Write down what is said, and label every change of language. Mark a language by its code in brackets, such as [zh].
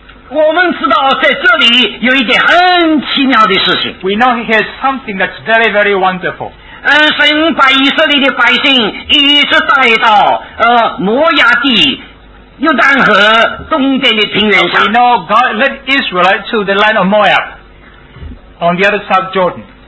[zh] 我们知道在这里有一件很奇妙的事情。 [en] We know he has something that's very, very wonderful. [zh] 神把以色列的百姓一直带到摩押地。约旦河东边的平原上。 [en] We know God led Israel to the land of Moab on the other side of Jordan.